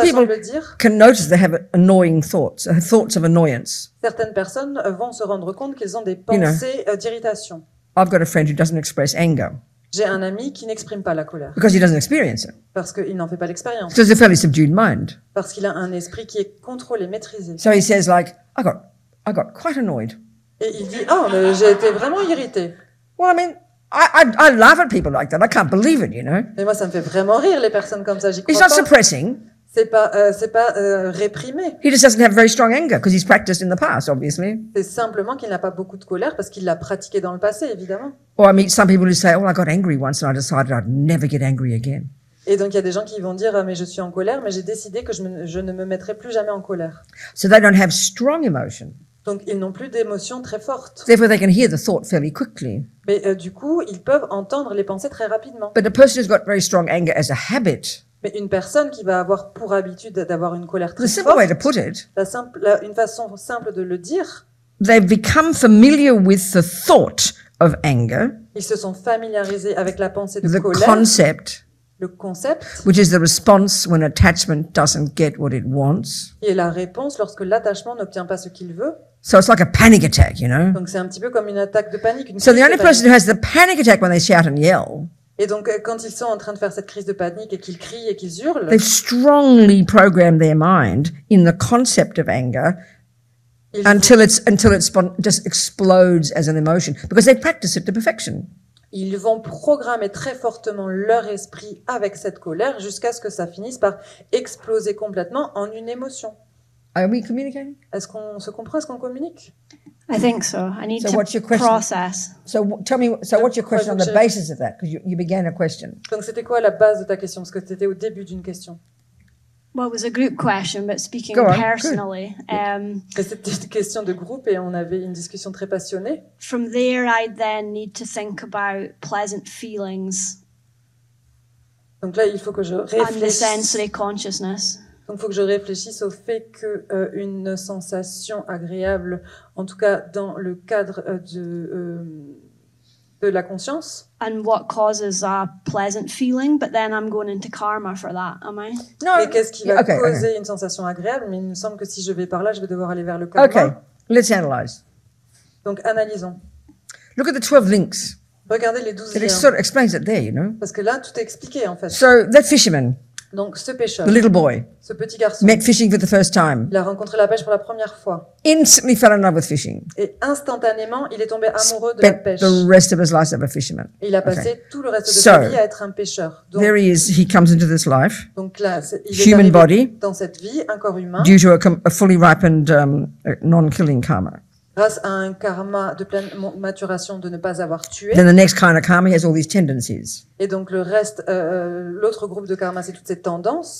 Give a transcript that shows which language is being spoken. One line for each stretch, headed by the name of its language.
English: people can notice they have annoying thoughts, thoughts of annoyance.
French: Certaines personnes vont se rendre compte qu'elles ont des pensées d'irritation.
English: I've got a friend who doesn't express anger.
French: J'ai un ami qui n'exprime pas la colère.
English: Because he doesn't experience it.
French: Parce qu'il n'en fait pas l'expérience.
English: So he's a fairly subdued mind.
French: Parce qu'il a un esprit qui est contrôlé, maîtrisé.
English: So he says like, I got quite annoyed.
French: Et il dit, oh, mais j'ai été vraiment irrité.
English: Well, I mean, I laugh at people like that. I can't believe it, you know.
French: Mais moi, ça me fait vraiment rire les personnes comme ça. J'y crois
English: it's
French: pas.
English: Not suppressing.
French: C'est pas réprimé.
English: He just doesn't have very strong anger because he's practiced in the past, obviously.
French: C'est simplement qu'il n'a pas beaucoup de colère parce qu'il l'a pratiqué dans le passé, évidemment.
English: Or I meet some people who say, "Oh, I got angry once and I decided I'd never get angry again."
French: Et donc il y a des gens qui vont dire, "Mais je suis en colère, mais j'ai décidé que je ne me mettrai plus jamais en colère."
English: So they don't have strong emotion.
French: Donc ils n'ont plus d'émotions très fortes.
English: Therefore, they can hear the thought fairly quickly.
French: Mais du coup, ils peuvent entendre les pensées très rapidement.
English: But a person who's got very strong anger as a habit.
French: Mais une personne qui va avoir pour habitude d'avoir une colère très forte, une façon simple de le dire,
English: they've become familiar with the thought of anger,
French: ils se sont familiarisés avec la pensée de
English: the
French: colère,
English: concept,
French: le concept,
English: which is the response when attachment doesn't get what it wants,
French: qui est la réponse lorsque l'attachement n'obtient pas ce qu'il veut.
English: So it's like a panic attack, you know?
French: Donc c'est un petit peu comme une attaque de panique.
English: So the only person who has the panic attack when they shout and yell.
French: Et donc, quand ils sont en train de faire cette crise de panique et qu'ils crient et qu'ils hurlent,
English: they've strongly programmed their mind in the concept of anger until it just explodes as an emotion because they practice it to perfection.
French: Ils vont programmer très fortement leur esprit avec cette colère jusqu'à ce que ça finisse par exploser complètement en une émotion.
English: Are we communicating?
French: Est-ce qu'on se comprend? Est-ce qu'on communique?
English: I think so. I need to process. So tell me, so what's your question on the basis of that? Because you began a question.
French: Donc c'était quoi la base de ta question? Parce que tu étais au début d'une question.
English: Well, it was a group question, but speaking personally.
French: C'était une question de groupe et on avait une discussion très passionnée.
English: From there, I then need to think about pleasant feelings.
French: Donc là, il faut que je réfléchisse.
English: And the sensory consciousness.
French: Donc, il faut que je réfléchisse au fait que une sensation agréable, en tout cas dans le cadre de la conscience.
English: And what causes a pleasant feeling? But then I'm going into karma for that, am I? No.
French: Mais qu'est-ce qui va causer une sensation agréable? Mais il me semble que si je vais par là, je vais devoir aller vers le karma.
English: Okay. Let's analyze.
French: Donc, analysons.
English: Look at the 12 links.
French: Regardez les 12 liens.
English: It sort of explains it there, you know.
French: Parce que là, tout est expliqué en fait.
English: So that fisherman.
French: Donc ce pêcheur,
English: the little boy,
French: ce petit garçon,
English: met fishing for the first time.
French: Il a rencontré la pêche pour la première fois.
English: Instantly fell in love with fishing.
French: Et instantanément, il est tombé amoureux
English: spent
French: de la pêche.
English: The rest of his life as a fisherman.
French: Et il a passé tout le reste de
English: so,
French: sa vie à être un pêcheur. Donc,
English: there he is. He comes into this life.
French: Donc là, il
English: human
French: est
English: body,
French: dans cette vie, un corps humain.
English: Due to a fully ripened non-killing karma.
French: Grâce à un karma de pleine maturation de ne pas avoir tué.
English: Then the next kind of karma has all these tendencies.
French: Et donc le reste, l'autre groupe de karma, c'est toutes ces tendances.